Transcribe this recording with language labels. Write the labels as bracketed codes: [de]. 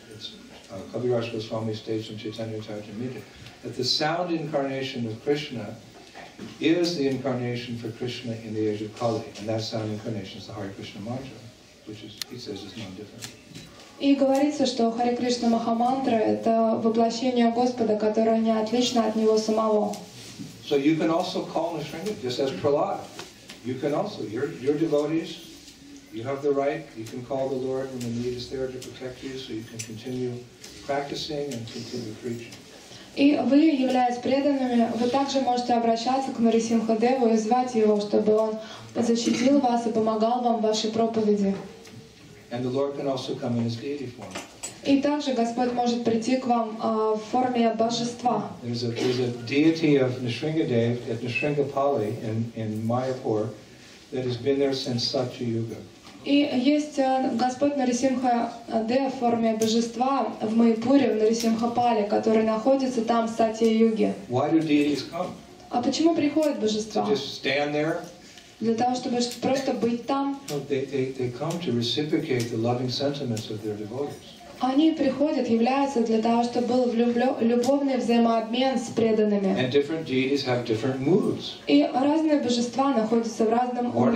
[en] It's Kaviraj Goswami states in Chaitanya Charitamrita that the sound incarnation of Krishna is the incarnation for Krishna in the age of Kali. And that sound incarnation is the Hare Krishna mantra, which is, he says is no different. [ru] И говорится, что Харе Кришна Махамантра — это воплощение Господа, которое не отлично от Него самого. [en] So you can also call Nisringa, just as Prahlad. You can also, your devotees, you have the right, you can call the Lord when the need is there to protect you, so you can continue practicing and continue preaching. [ru] И вы, являясь преданными, вы также можете обращаться к Нарисимхадеву и звать его, чтобы он защитил вас и помогал вам в вашей проповеди. [en] And the Lord can also come in His deity form. [ru] И также Господь может прийти к вам в форме божества. [en] There's a deity of Nisringadev at Nisringapalli in Mayapur that has been there since Satya Yuga. [ru] И есть Господь Нарисимха Дев в форме божества в Майпуре, в Нарисимхапале, который находится там в Сатья Юге. [en] Why do deities come? [ru] А почему приходят божества? [en] To just stand there. [ru] Для того, чтобы просто быть там. [en] No, they come to reciprocate the loving sentiments of their devotees. [ru] Они приходят, являются для того, чтобы был любовный взаимообмен с преданными. [en] And different deities have different moods. [ru] И разные божества находятся в разном